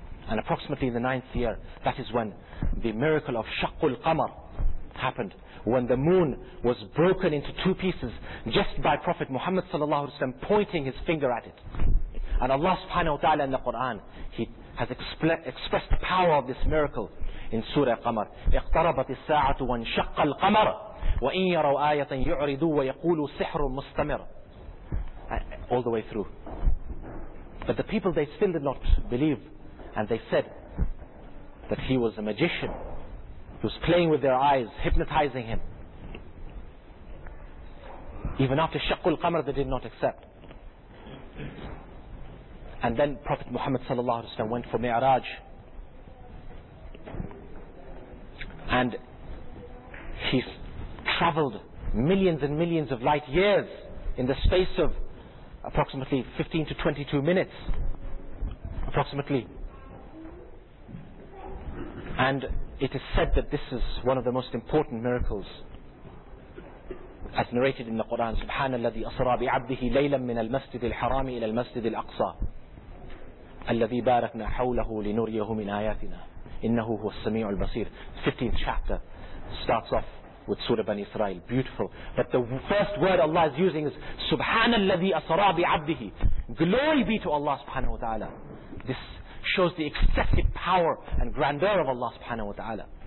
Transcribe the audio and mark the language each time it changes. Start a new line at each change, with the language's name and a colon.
English: And approximately in the 9th year, that is when the miracle of shaqqul qamar happened, when the moon was broken into two pieces just by Prophet Muhammad sallallahu alaihi wasallam pointing his finger at it. And Allah subhanahu wa ta'ala in the Quran, he has expressed the power of this miracle in Surah Qamar.
Arabic: اقتربت الساعة وانشق القمر وإن يروا آية يعرضوا ويقولوا سحر مستمر.
English: All the way through. But the people, they still did not believe, and they said that he was a magician. He was playing with their eyes, hypnotizing him. Even after Shaqqul Qamar, they did not accept. And then Prophet Muhammad sallallahu alaihi wasallam went for Mi'raj. And he traveled millions and millions of light years in the space of approximately 15 to 22 minutes. Approximately. And it is said that this is one of the most important miracles As narrated in the Quran,
Arabic: سُبْحَانَ الَّذِي أَصْرَى بِعَبْدِهِ لَيْلًا مِنَ الْمَسْجِدِ الْحَرَامِ إِلَى الْمَسْجِدِ الْأَقْصَى الَّذِي بَارَكْنَا حَوْلَهُ لِنُرِيَهُ مِنْ آيَاتِنَا إِنَّهُ هُوَ السَّمِيعُ الْبَصِيرُ.
English: 15th chapter starts off with Surah Bani Israel. Beautiful. But the first word Allah is using is
Arabic: سُبْحَانَ الَّذِي أَصْرَى بِعَبْدِهِ.
English: Glory be to Allah subhanahu wa ta'ala. This shows the excessive power and grandeur of Allah subhanahu wa ta'ala.